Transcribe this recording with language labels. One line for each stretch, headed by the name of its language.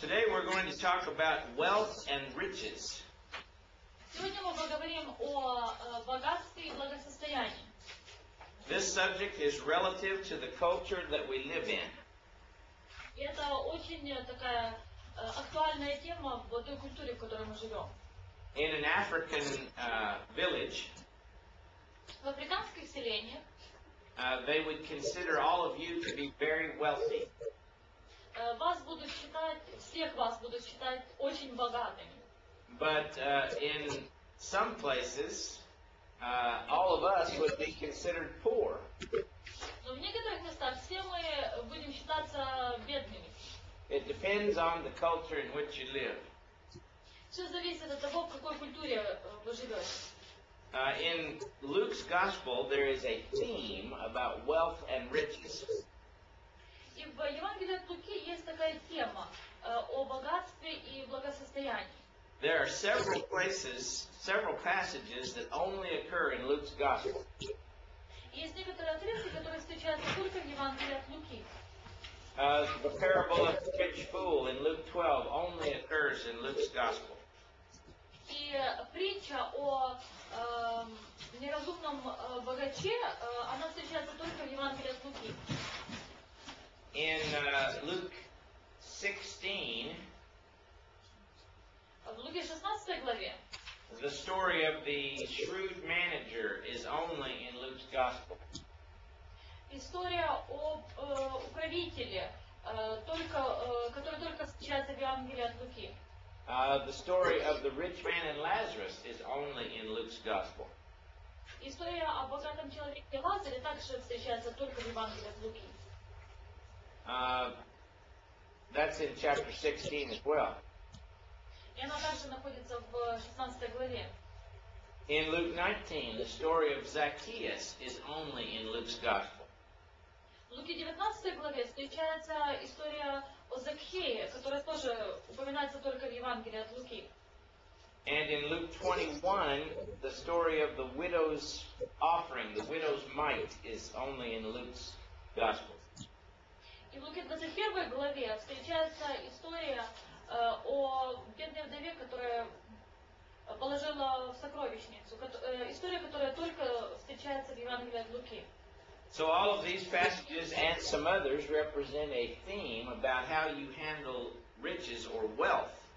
English: Today we're going to talk about wealth and riches.
Russian: Сегодня мы поговорим о богатстве и благосостоянии.
English: This subject is relative to the culture that we live in.
Russian: Это очень такая актуальная тема в той культуре, в которой мы живем.
English: In an African village,
Russian: в африканских селениях,
English: they would consider all of you to be very wealthy.
Russian: Вас будут считать, всех вас будут считать очень богатыми.
English: But in some places, all of us would be considered poor.
Russian: Но в некоторых местах все мы будем считаться бедными.
English: It depends on the culture in which you live.
Russian: Все зависит от того, в какой культуре вы живете.
English: In Luke's Gospel, there is a theme about wealth and riches.
Russian: И в Евангелии от Луки есть такая тема о богатстве и благосостоянии.
English: There are several places, several passages that only occur in Luke's Gospel.
Russian: Есть некоторые отрывки, которые встречаются только в Евангелии от Луки.
English: The parable of the rich fool in Luke 12 only occurs in Luke's Gospel.
Russian: И притча о неразумном богаче, она встречается только в Евангелии от Луки.
English: In Luke 16,
Russian: в Луке 16 главе,
English: the story of the shrewd manager is only in Luke's Gospel.
Russian: История об управителе, только, который только встречается в Евангелии от Луки.
English: The story of the rich man and Lazarus is only in Luke's Gospel.
Russian: История о богатом человеке и Лазаре также встречается только в Евангелии от Луки.
English: That's in chapter 16 as well.
Russian: И она также находится в 16 главе.
English: In Luke 19, the story of Zacchaeus is only in Luke's Gospel.
Russian: В Луке 19 главе встречается история о Закхее, которая тоже упоминается только в Евангелии от Луки.
English: And in Luke 21, the story of the widow's offering, the widow's mite, is only in Luke's Gospel.
Russian: И в Луке 21 главе встречается история о бедной вдове, которая положила в сокровищницу, история, которая только встречается в Евангелии от Луки.
English: So all of these passages and some others represent a theme about how you handle riches or wealth.